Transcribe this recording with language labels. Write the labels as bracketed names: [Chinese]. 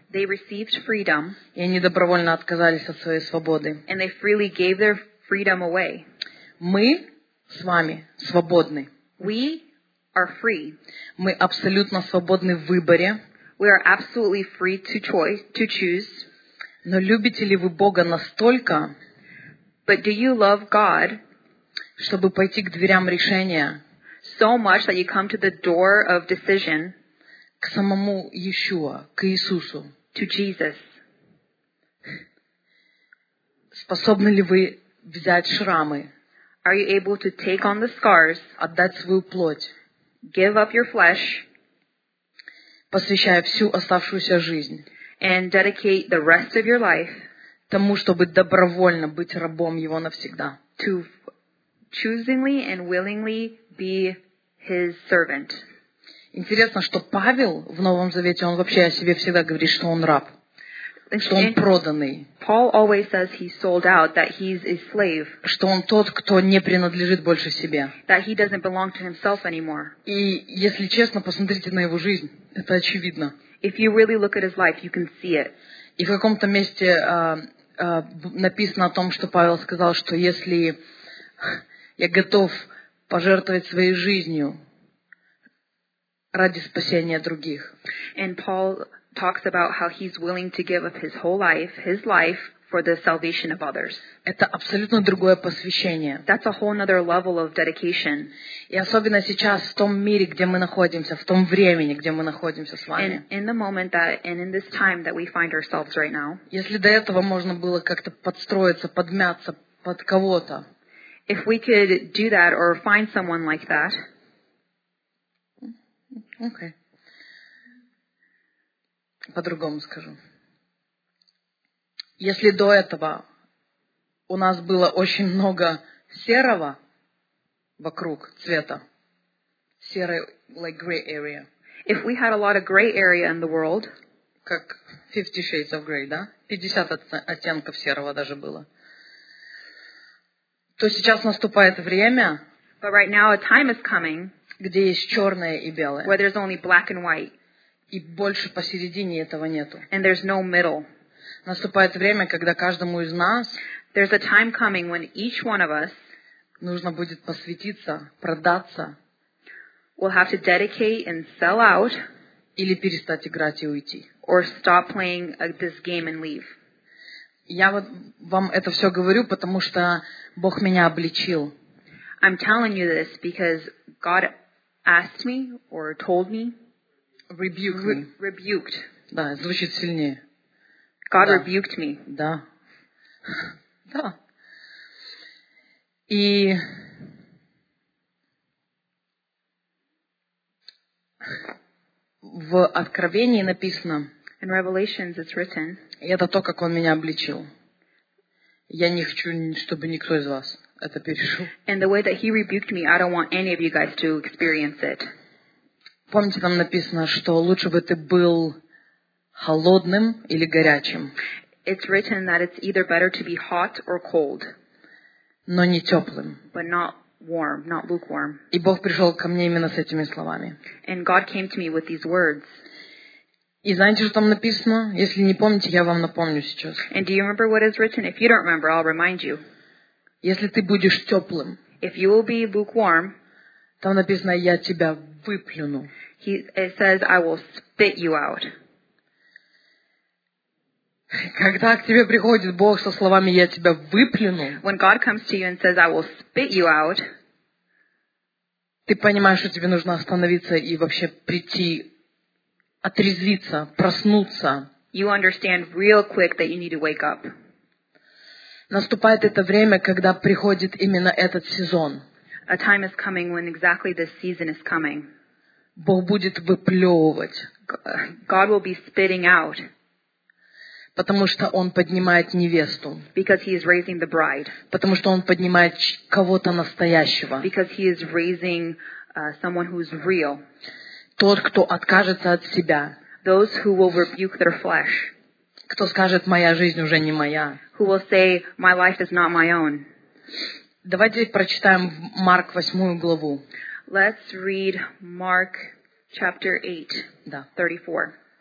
[English] They received freedom. [Russian] И они добровольно отказались от своей свободы. [English] And they freely gave their freedom away. [Russian] Мы с вами свободны. [English] We are free. [Russian] Мы абсолютно свободны в выборе. [English] We are absolutely free to choice, to choose. [Russian] Но любите ли вы Бога настолько, [English] but do you love God, [Russian] чтобы пойти к дверям решения, [English] so much that you come to the door of decision, [Russian] к самому Иешуа, к Иисусу, [English] to Jesus. [Russian] Способны ли вы взять шрамы, [English] are you able to take on the scars, [Russian] отдать свою плоть, [English] give up your flesh, [Russian] посвящая всю оставшуюся жизнь, [English] and dedicate the rest of your life, [Russian] тому, чтобы добровольно быть рабом Его навсегда, [English] to choosingly and willingly be his servant. [Russian] Интересно, что Павел в Новом Завете, он вообще о себе всегда говорит, что он раб, что он проданный. [English] Paul always says he's sold out, that he's a slave. [Russian] Что он тот, кто не принадлежит больше себе. [English] That he doesn't belong to himself anymore. [Russian] И если честно, посмотрите на его жизнь, это очевидно. [English] If you really look at his life, you can see it. [Russian] И в каком-то месте написано о том, что Павел сказал, что если я готов пожертвовать своей жизнью ради спасения других. [English] And Paul talks about how he's willing to give up his whole life, his life, for the salvation of others. [Russian] Это абсолютно другое посвящение. [English] That's a whole other level of dedication. [Russian] И особенно сейчас в том мире, где мы находимся, в том времени, где мы находимся с вами. [English] And in the moment that, and in this time that we find ourselves right now. [Russian] Если до этого можно было как-то подстроиться, подмяться под кого-то. [English] If we could do that or find someone like that. Okay. [Russian] По-другому скажу. Если до этого у нас было очень много серого вокруг цвета, серый, [English] like gray area. If we had a lot of gray area in the world. Как 50 shades of gray, да? [Russian] 50 оттенков серого даже было. То сейчас наступает время, [English] but right now a time is coming, [Russian] где есть черное и белое, [English] where there's only black and white, [Russian] и больше посередине этого нету. [English] And there's no middle. [Russian] Наступает время, когда каждому из нас, [English] there's a time coming when each one of us, [Russian] нужно будет посвятиться, продаться, [English] we'll have to dedicate and sell out, [Russian] или перестать играть и уйти. [English] Or stop playing this game and leave. [Russian] Я вот вам это все говорю, потому что Бог меня обличил. [English] I'm telling you this because God asked me or told me. Rebuked. [Russian] Да, звучит сильнее. [English] God да. Rebuked me. [Russian] Да. Да. И в Откровении написано. [English] In Revelations it's written. [Russian] И это то, как он меня обличил. Я не хочу, чтобы никто из вас это пережил. [English] And the way that he rebuked me, I don't want any of you guys to experience it. [Russian] Помните, там написано, что лучше бы ты был холодным или горячим. [English] It's written that it's either better to be hot or cold. [Russian] Но не теплым. [English] But not warm, not lukewarm. [Russian] И Бог пришел ко мне именно с этими словами. [English] And God came to me with these words. [Russian] И знаете, что там написано? Если не помните, я вам напомню сейчас. [English] And do you remember what is written? If you don't remember, I'll remind you. [Russian] Если ты будешь теплым. [English] If you will be lukewarm. [Russian] Там написано, я тебя выплюну. [English] It says, I will spit you out. [Russian] Когда к тебе приходит Бог со словами «Я тебя выплюну», [English] when God comes to you and says, I will spit you out, [Russian] ты понимаешь, что тебе нужно остановиться и вообще прийти, отрезвиться, проснуться. [English] You understand real quick that you need to wake up. [Russian] Наступает это время, когда приходит именно этот сезон. [English] A time is coming when exactly this season is coming. [Russian] Бог будет выплевывать. [English] God will be spitting out. [Russian] Потому что он поднимает невесту. [English] Because he is raising the bride. [Russian] Потому что он поднимает кого-то настоящего. [English] Because he is raising someone who is real. [Russian] Тот, кто откажется от себя. [English] Those who will rebuke their flesh. [Russian] Кто скажет, моя жизнь уже не моя. [English] Who will say, my life is not my own. [Russian] Давайте прочитаем Марк 8 главу. [English] Let's read Mark chapter 8, [Russian] да. 34.